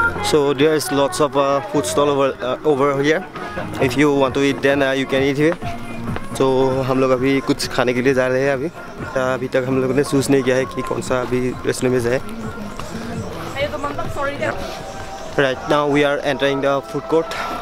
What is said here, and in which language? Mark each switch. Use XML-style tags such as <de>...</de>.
<en>So there is lots of food stall over here. If you want to eat, then you can eat here.</en> <hi>So हम लोग अभी कुछ खाने के लिए जा रहे हैं अभी. तो अभी तक हम लोगों ने choose नहीं किया है कि कौन सा अभी restaurant में जाए.</hi> <en>Right now we are entering the food court.</en>